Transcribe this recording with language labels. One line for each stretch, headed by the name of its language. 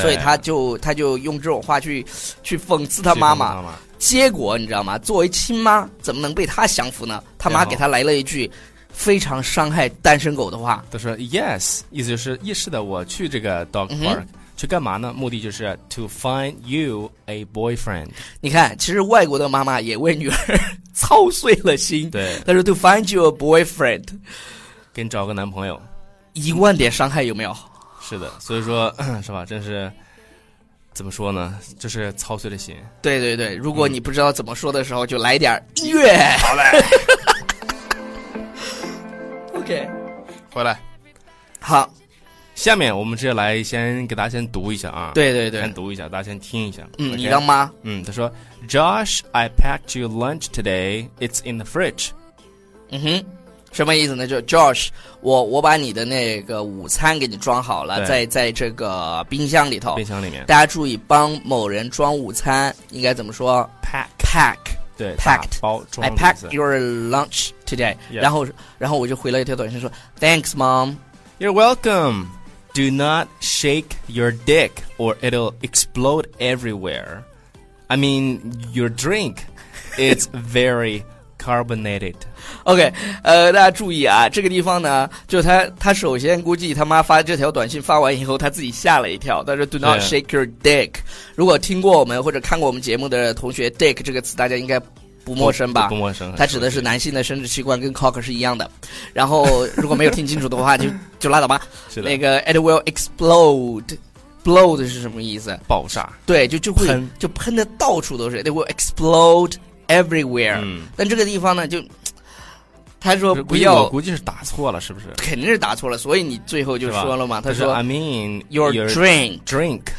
Chinese: 所以他就用这种话去讽刺他妈妈。结果你知道吗？作为亲妈，怎么能被他降服呢？他妈给他来了一句。非常伤害单身狗的话，他说 yes， 意思就是意识的，我去这个 dog park 去干嘛呢？目的就是 to find you a boyfriend。你看，其实外国的妈妈也为女儿操碎了心。对，他说 to find you a boyfriend，给你找个男朋友，一万点伤害有没有？是的，所以说是吧？真是怎么说呢？就是操碎了心。对对对，如果你不知道怎么说的时候，就来点音乐。好嘞。
English: Okay.
Chinese: 回来，好，下面我们直接来先给大家先读一下啊，对对对，先读一下，大家先听一下。嗯，
English: okay?
Chinese: 你当妈，
English: 他说，Josh， I packed you lunch today. It's in the fridge.
Chinese: 嗯哼，什么意思呢？就 Josh， 我把你的那个午餐给你装好了，在这个冰箱里头。冰箱里面，大家注意，帮某人装午餐应该怎么说？Pack。 对
English: packed
Chinese: 包装。
English: I packed your lunch today、 yeah.
Chinese: 然后我就回了一条短信说 Thanks mom.
English: You're welcome. Do not shake your dick or it'll explode everywhere. I mean your drink. It's very carbonated.
Chinese: OK、大家注意啊，这个地方呢，就他首先估计他妈发这条短信发完以后他自己吓了一跳，但是 Do not shake your dick。如果听过我们或者看过我们节目的同学， dick 这个词大家应该不陌生吧？不陌生，它指的是男性的生殖器官，跟 cock 是一样的。然后如果没有听清楚的话就拉倒吧。是的，
English: 那个 it will explode。
Chinese: explode 是什么意思？爆炸。对，就会喷，就喷的到处都是。 it will explode everywhere、但这个地方呢，就他说不要，我估计是打错了，是不是？肯定是打错了，所以你最后就说了嘛。他说
English: I mean your drink，